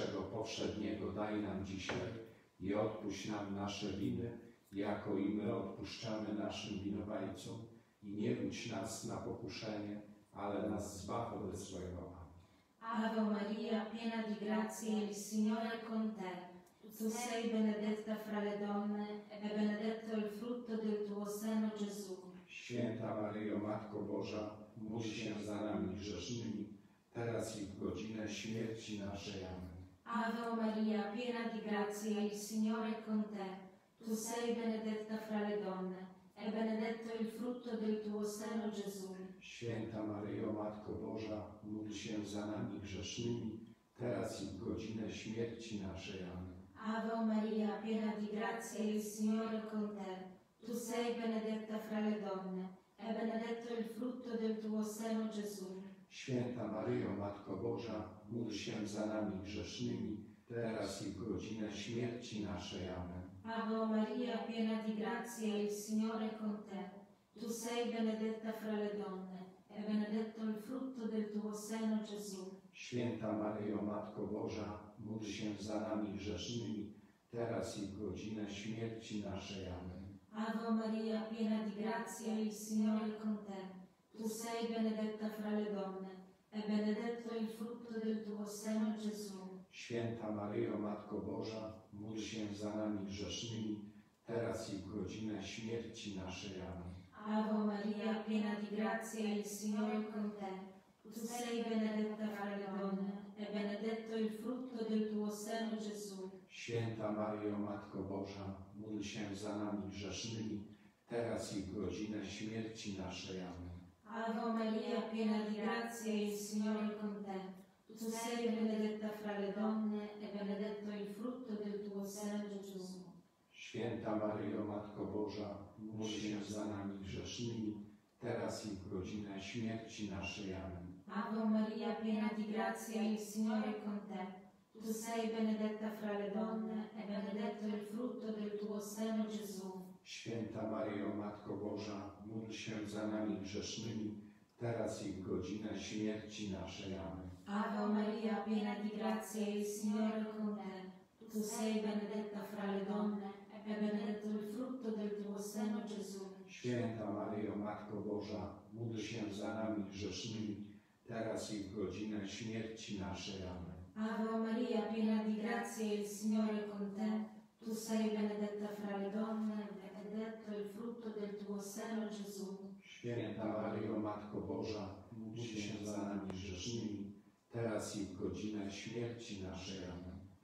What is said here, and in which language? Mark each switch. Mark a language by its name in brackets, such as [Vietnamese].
[Polish] Odpuść nam nasze winy, jako i my odpuszczamy naszym winowajcom. I nie wódź nas na pokuszenie, ale nas zbaw ode złego. [Italian] Ave Maria, piena di grazie, il Signore è con te. Tu sei benedetta fra le donne, e benedetto il frutto del tuo seno, Gesù. [Polish] Święta Maryjo, Matko Boża, módl się za nami grzesznymi, teraz i w godzinę śmierci naszej. Amen. [Italian] Ave Maria, piena di grazia, il Signore è con te. Tu sei benedetta fra le donne, e benedetto il frutto del tuo seno, Gesù. [Polish] Święta Maryjo, Matko Boża, módl się za nami grzesznymi, teraz i w godzinę śmierci naszej. Amen. [Italian] Ave Maria, piena di grazia, il Signore è con te. Tu sei benedetta fra le donne, e benedetto il frutto del tuo seno, Gesù. [Polish] Święta Maryjo, Matko Boża, módl się za nami grzesznymi, teraz i w godzinę śmierci naszej. Amen. [Italian] Ave Maria, piena di grazia, il Signore è con te. Tu sei benedetta fra le donne, e benedetto il frutto del tuo seno, Gesù. [Polish] Święta Maryjo, Matko Boża, módl się za nami grzesznymi, teraz i w godzinę śmierci naszej. Amen. [Italian] Ave Maria, piena di grazia, il Signore è con te. Tu sei benedetta fra le donne, e benedetto il frutto del tuo seno, Gesù. [Polish] Święta Maryjo, Matko Boża, módl się za nami grzesznymi, teraz i w godzinę śmierci naszej. Amen. [Italian] Ave Maria, piena di grazia, il Signore è con te. Tu sei benedetta fra le donne, e benedetto il frutto del tuo seno, Gesù. [Polish] Święta Maryjo, Matko Boża, módl się za nami grzesznymi, teraz i w godzinę śmierci naszej. Amen. [Italian] Ave Maria, piena di grazia, il Signore è con te. Tu sei benedetta fra le donne, e benedetto il frutto del tuo seno, Gesù. [Polish] Święta Maryjo, Matko Boża, módl się za nami grzesznymi, teraz i w godzinę śmierci naszej. Amen. [Italian] Ave Maria, piena di grazia, il Signore è con te. Tu sei benedetta fra le donne, e benedetto il frutto del tuo seno, Gesù. [Polish] Święta Maryjo, Matko Boża, módl się za nami grzesznymi, teraz i w godzinę śmierci naszej. Amen. [Italian] Ave Maria, piena di grazia, il Signore è con te. Tu sei benedetta fra le donne, e benedetto il frutto del tuo seno, Gesù. [Polish] Święta Maryjo, Matko Boża, módl się za nami grzesznymi, teraz i w godzinę śmierci naszej. Amen. [Italian] Ave Maria, piena di grazia, il Signore è con te. Tu sei benedetta fra le donne, e benedetto il frutto del tuo seno, Gesù. [Polish] Święta Maryjo, Matko Boża, módl się za nami grzesznymi, teraz i w godzinę śmierci naszej. Amen.